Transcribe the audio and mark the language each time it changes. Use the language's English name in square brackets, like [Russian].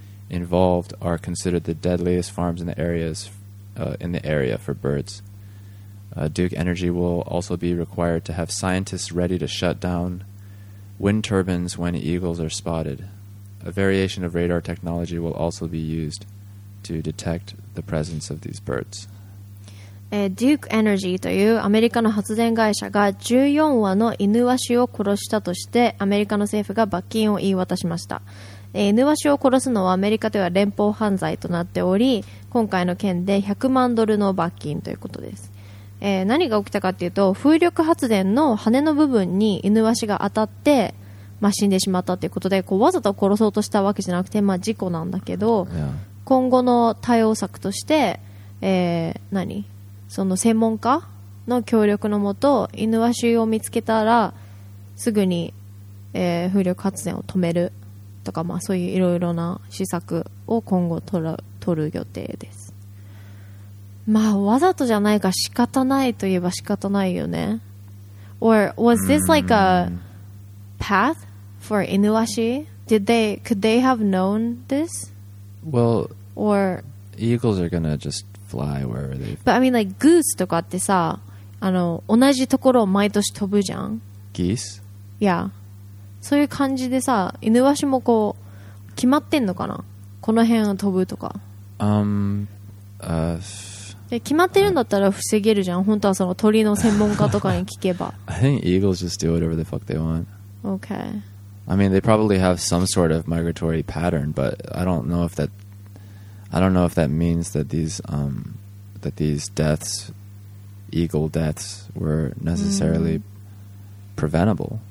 [English] involved are considered the deadliest farms in the areas in the area for birds. Duke Energy will also be required to have scientists ready to shut down wind turbines when eagles are spotted. A variation of radar technology will also be used to detect the presence of these birds. [Japanese] Duke Energy というアメリカの発電会社が14羽の犬ワシを殺したとしてアメリカの政府が罰金を言い渡しました。犬ワシを殺すのはアメリカでは連邦犯罪となっており、今回の件で100万ドルの罰金ということです。何が起きたかというと、風力発電の羽の部分に犬ワシが当たって、まあ、死んでしまったということで、こうわざと殺そうとしたわけじゃなくて、まあ、事故なんだけど、 [English] yeah. [Japanese] 今後の対応策として、何その専門家の協力のもと、犬ワシを見つけたらすぐに、風力発電を止めるとか、まあ、そういういろいろな施策を今後取る予定です。まあわざとじゃないか、仕方ないといえば仕方ないよね。 [English] Or was this like a path for Inuashi? Could they have known this? Well, or eagles are gonna just fly wherever they But I mean like goose [Japanese] とかってさ、あの同じところを毎年飛ぶじゃん。 [English] Geese? Yeah. [Japanese] そういう感じでさ、イヌワシもこう決まってんのかな、この辺を飛ぶとか。決まってるんだったら防げるじゃん。本当はその鳥の専門家とかに聞けば。 [English] I think eagles just do whatever the fuck they want. Okay. I mean, they probably have some sort of migratory pattern, but I don't know if that means that these deaths, eagle deaths, were necessarily preventable.